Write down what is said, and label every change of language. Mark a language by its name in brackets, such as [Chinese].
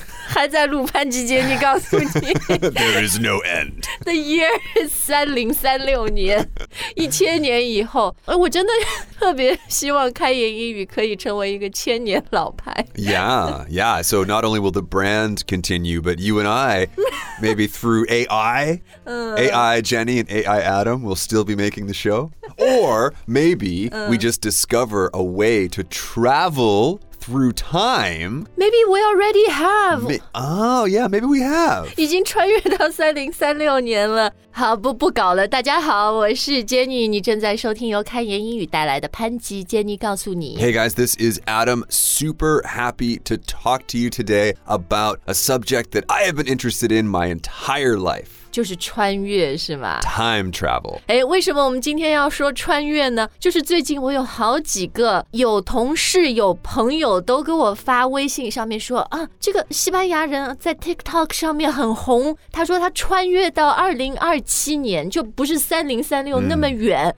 [Chinese] 还在录潘吉杰，你告诉你。 [English] There is no end. The year is 3036年， [Chinese] 一千年以后。我真的特别希望开言英语可以成为一个千年老牌。 [English] Yeah. So not only will the brand continue, but you and I, maybe through AI, AI Jenny and AI Adam will still be making the show. Or maybe we just discover a way to travel... through time. Maybe we already have. Maybe we have. [Chinese] 已经穿越到3036年了。好，不搞了。大家好，我是 Jenny， 你正在收听由开言英语带来的潘吉 Jenny 告诉你。 [English] Hey guys, this is Adam. Super happy to talk to you today about a subject that I have been interested in my entire life. [Chinese] 就是穿越是吗 [English] Time travel. [Chinese] 哎，为什么我们今天要说穿越呢？就是最近我有好几个有同事、有朋友都给我发微信上面说啊，这个西班牙人在 TikTok 上面很红。他说他穿越到2027年，就不是3036那么远。